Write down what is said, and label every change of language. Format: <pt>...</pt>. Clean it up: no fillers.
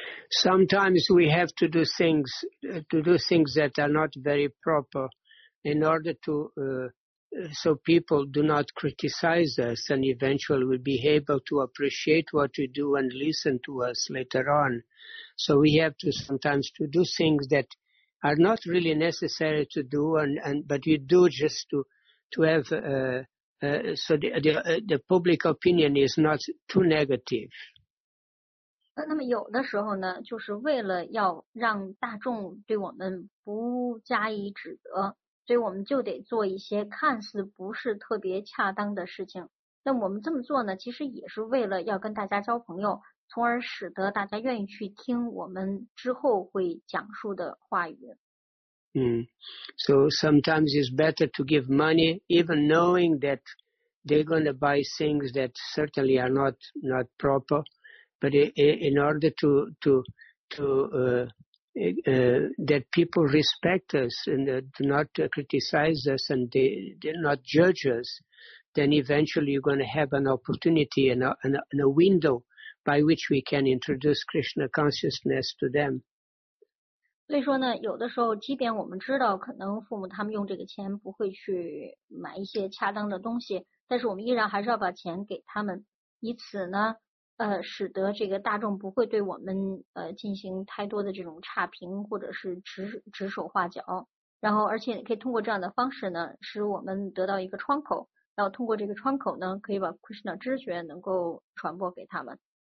<en>Sometimes we have to do things that are not very proper in order to, so people do not criticize us and eventually we'll be able to appreciate what we do and listen to us later on. So we have to sometimes to do things that are not really necessary to do, but we do just to have, so the public opinion is not too negative.</en> <zh>那么有的时候呢，就是为了要让大众对我们不加以指责，所以我们就得做一些看似不是特别恰当的事情。那我们这么做呢，其实也是为了要跟大家交朋友。从而使得大家愿意去听我们之后会讲述的话语。</zh> <en>So sometimes it's better to give money, even knowing that they're going to buy things that certainly are not proper. But in order that people respect us and do not criticize us and they not judge us, then eventually you're going to have an opportunity and a window.By which we can introduce Krishna consciousness to them.</en> <zh>所以说呢，有的时候即便我们知道可能父母他们用这个钱不会去买一些恰当的东西，但是我们依然还是要把钱给他们，以此呢使得这个大众不会对我们进行太多的这种差评或者是指手画脚，然后而且可以通过这样的方式呢使我们得到一个窗口，然后通过这个窗口呢可以把 Krishna 知觉能够传播给他们。</zh>